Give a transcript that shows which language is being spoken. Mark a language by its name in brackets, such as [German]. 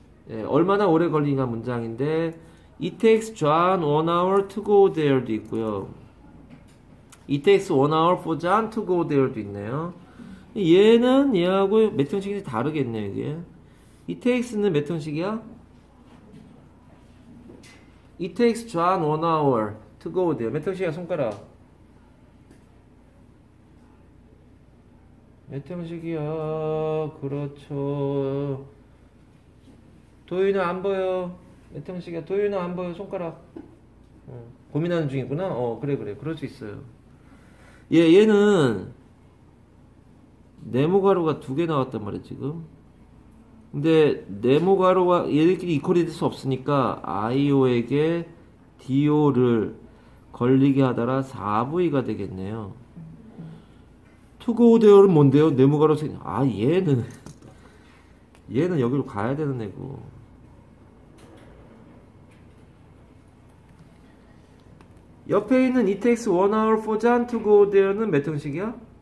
[English] 예, 얼마나 오래 걸리냐 문장인데 it takes John 1 hour to go there도 있고요. it takes 1 hour for John to go there도 있네요. [Korean] 얘는 얘하고 몇 형식이 다르겠네요, 이게. it takes 는 몇 형식이야? [English] it takes John 1 hour to go there. [Korean] 몇 형식이야, 손가락? 몇 형식이야? 그렇죠. 도윤아 안 보여. 몇 형식이야? 도윤아 안 보여. 손가락. 고민하는 중이구나. 어, 그래 그래. 그럴 수 있어요. 예, 얘는 네모 가로가 두 개 나왔단 말이야 지금. 근데 네모 가로가 얘들끼리 이퀄이 될 수 없으니까 IO에게 DO를 걸리게 하다라 4V가 되겠네요. 투고우데어는 뭔데요? 네모가로 생. 아, 얘는 여기로 가야 되는 애고. [English] 옆에 있는 it takes 1 hour for John to go there는 몇 형식이야?